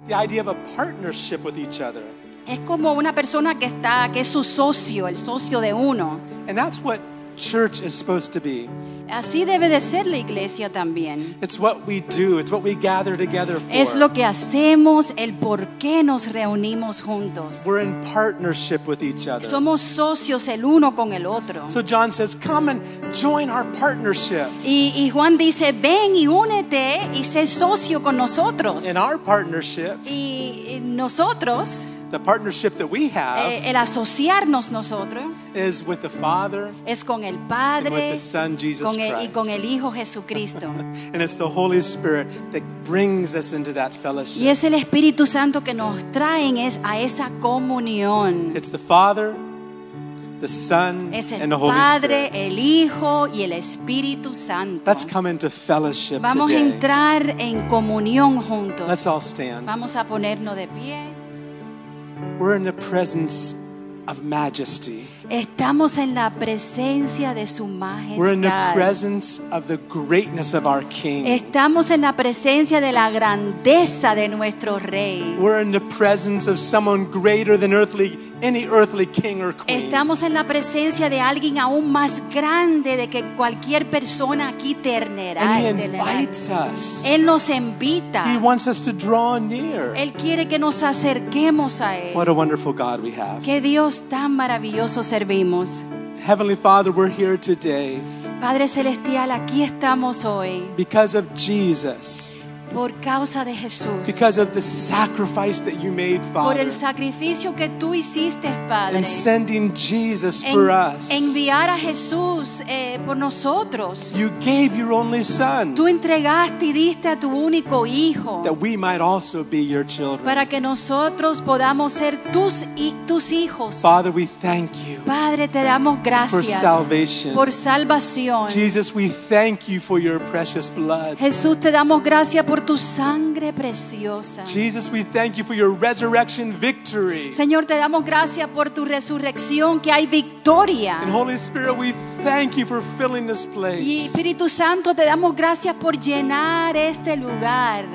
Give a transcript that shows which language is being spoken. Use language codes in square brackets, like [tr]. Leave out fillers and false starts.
[en] The idea of a partnership with each other. [es] Es como una persona que está, que es su socio, el socio de uno. [en] And that's what church is supposed to be. [es] Así debe de ser la iglesia también. [en] It's what we do, it's what we gather together for. [es] Es lo que hacemos, el por qué nos reunimos juntos. [en] We're in partnership with each other. [es] Somos socios el uno con el otro. [en] So John says, come and join our partnership. [es] Y Juan dice, ven y únete y sé socio con nosotros. [en] In our partnership. [es] Y nosotros. [en] The partnership that we have [es] el asociarnos nosotros [en] is with the Father, [es] es con el Padre, [en] and with the Son Jesus [es] con [en] Christ [es] y con el Hijo Jesucristo. [en] And it's the Holy Spirit that brings us into that fellowship. [es] Y es el Espíritu Santo que nos trae a esa comunión. [en] It's the Father, the Son, [es] es el [en] and the Holy [es] Padre, [en] Spirit. [es] El Hijo y el Espíritu Santo. [en] Let's come into fellowship. [es] Vamos [en] today. [es] A entrar en comunión juntos. [en] Let's all stand. [es] Vamos a ponernos de pie. [en] We're in the presence of majesty. [es] Estamos en la presencia de su majestad. [en] We're in the presence of the greatness of our King. [es] Estamos en la presencia de la grandeza de nuestro rey. [en] We're in the presence of someone greater than any earthly king or queen. [es] Estamos en la presencia de alguien aún más grande de que cualquier persona aquí ternera. [en] And he invites us. [es] Él nos invita. [en] He wants us to draw near. [es] Él quiere que nos acerquemos a él. [en] What a wonderful God we have. [es] Qué Dios tan maravilloso. Servimos. [en] Heavenly Father, we're here today. [es] Padre celestial, aquí estamos hoy. [en] Because of Jesus. [es] Por causa de Jesús. [en] Because of the sacrifice that you made, Father. [es] Por el sacrificio que tú hiciste, Padre. [en] And sending Jesus for us. [es] Enviar a Jesús por nosotros. [en] You gave your only Son. [es] Tú entregaste y diste a tu único Hijo. [en] That we might also be your children. [es] Para que nosotros podamos ser tus hijos. [en] Father, we thank you. [es] Padre, te damos gracias. [en] For salvation. [es] Por salvación. [en] Jesus, we thank you for your precious blood. [es] Jesús, te damos gracias por tu sangre preciosa. [en] Jesus, we thank you for your resurrection victory. [es] Señor, te damos gracias por tu resurrección, que hay victoria. [en] And Holy Spirit, we thank you for filling this place. [es] Y Espíritu Santo, te damos gracias por llenar este lugar.